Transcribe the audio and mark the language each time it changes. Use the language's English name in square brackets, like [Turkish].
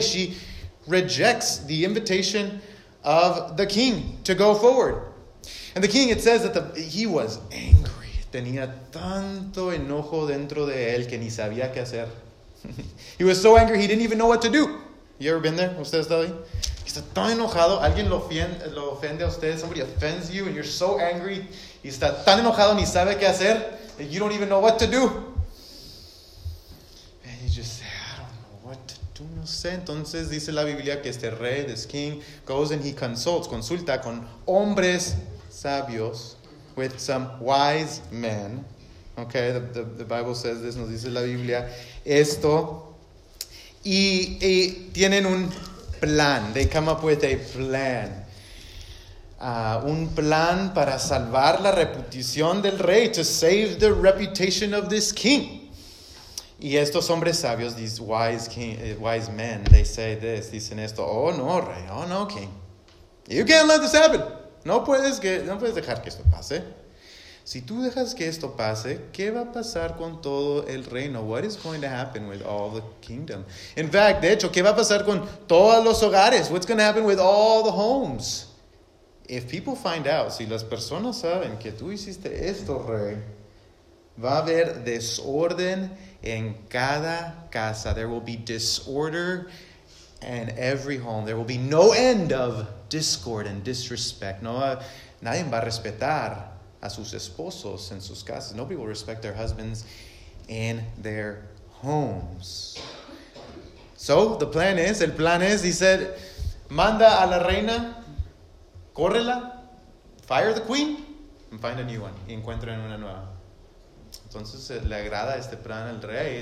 [English] She rejects the invitation of the king to go forward. And the king, it says that he was angry. [Spanish] Tenía tanto enojo dentro de él que ni sabía qué hacer. [English] He was so angry he didn't even know what to do. You ever been there? [Spanish] ¿Usted ha estado ahí? Está tan enojado, alguien lo ofende a usted, [English] somebody offends you, and you're so angry, [Spanish] y está tan enojado, ni sabe qué hacer, [English] that you don't even know what to do. And you just say, I don't know what to do, [Spanish] no sé. Entonces dice la Biblia que este rey, [English] this king, goes and he [Spanish] consulta con hombres sabios, [English] with some wise men. Okay, the Bible says this, [Spanish] nos dice la Biblia esto. Y tienen un plan. [English] They come up with a plan. [Spanish] Un plan para salvar la reputación del rey. [English] To save the reputation of this king. [Spanish] Y estos hombres sabios, [English] these wise men, they say this. [Spanish] Dicen esto. Oh, no, rey. [English] Oh, no, king. You can't let this happen. [Spanish] No puedes dejar que esto pase. Si tú dejas que esto pase, ¿qué va a pasar con todo el reino? [English] What is going to happen with all the kingdom? In fact, [Spanish] de hecho, ¿qué va a pasar con todos los hogares? [English] What's going to happen with all the homes? If people find out, [Spanish] si las personas saben que tú hiciste esto, rey, va a haber desorden en cada casa. [English] There will be disorder in every home. There will be no end of discord and disrespect. [Spanish] Nadie va a respetar a sus esposos en sus casas. [English] Nobody will respect their husbands in their homes. So, [Spanish] el plan es, [English] he said, [Spanish] manda a la reina, córrela, [English] fire the queen, and find a new one. [Spanish] Y encuentren una nueva. Entonces, le agrada este plan al rey.